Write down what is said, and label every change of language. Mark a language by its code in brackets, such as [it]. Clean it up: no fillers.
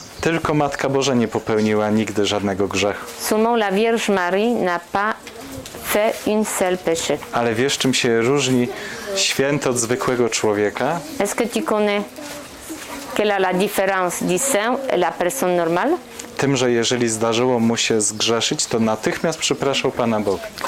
[pl] Tylko Matka Boża nie popełniła nigdy żadnego grzechu. [fr] Sûrement la Vierge Marie n'a pas fait une seule péché. [pl] Ale wiesz, czym się różni święty od zwykłego człowieka? [fr] Est-ce que tu connais quelle est la différence du saint et la personne normale? [pl] Tym, że jeżeli zdarzyło mu się zgrzeszyć, to natychmiast przepraszał Pana Boga.